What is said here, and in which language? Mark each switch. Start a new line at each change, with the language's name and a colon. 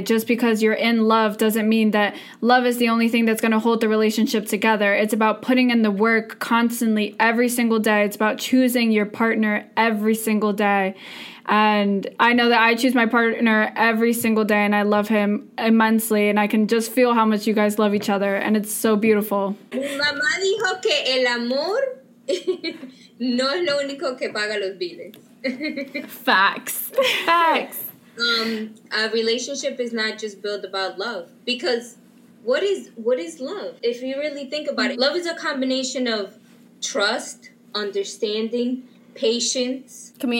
English: Just because you're in love doesn't mean that love is the only thing that's going to hold the relationship together. It's about putting in the work constantly every single day. It's about choosing your partner every single day. And I know that I choose my partner every single day and I love him immensely. And I can just feel how much you guys love each other. And it's so beautiful.
Spanish: Mamá dijo que el amor no es lo único que paga los biles.
English: Facts. Facts. A relationship is not just built about love. Because what is love? If you really think about it, love is a combination of trust, understanding, patience,